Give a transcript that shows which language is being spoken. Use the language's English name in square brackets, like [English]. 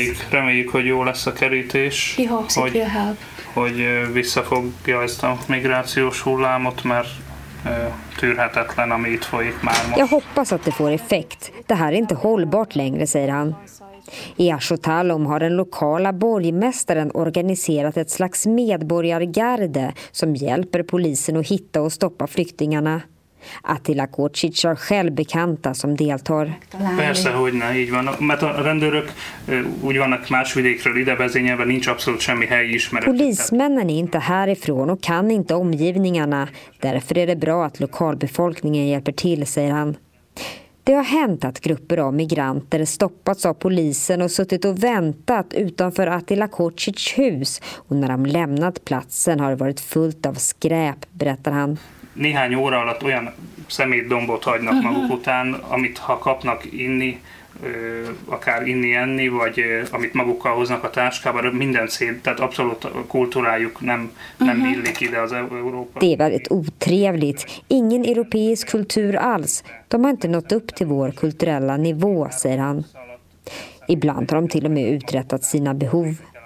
[Hungarian] Reméljük, hogy jó lesz a kerítés. [English] We hope that you help. [Hungarian] Hogy visszafogja ezt a migrációs hullámot, mert tűrhetetlen, ami itt folyik már most. [Swedish] Jag hoppas att det får effekt. Det här är inte hållbart längre, säger han. I Ashotalom har den lokala borgmästaren organiserat ett slags medborgargarde som hjälper polisen att hitta och stoppa flyktingarna. Attila Kocic är själv bekanta som deltar. [Hungarian] Persze, hogy ne, így van. Mert a rendőrök úgy vannak más vidékről ide vezényelve, nincs abszolút semmi helyi ismeret. [Swedish] Polismännen är inte härifrån och kan inte omgivningarna. Därför är det bra att lokalbefolkningen hjälper till, säger han. Det har hänt att grupper av migranter stoppats av polisen och suttit och väntat utanför Attila Kocics hus. Och när de lämnat platsen har det varit fullt av skräp, berättar han. [Hungarian] Néhány óra alatt olyan szemétdombot hagynak maguk után, amit ha kapnak inni, akár inni-enni, vagy amit magukkal hoznak a táskában, minden szét, tehát abszolút kultúrájuk nem illik ide az Európa. [Swedish] Det är väldigt otrevligt. Ingen europeisk kultur alls. De har inte nått upp till vår kulturella nivå, säger han. Ibland har de till och med uträttat sina behov.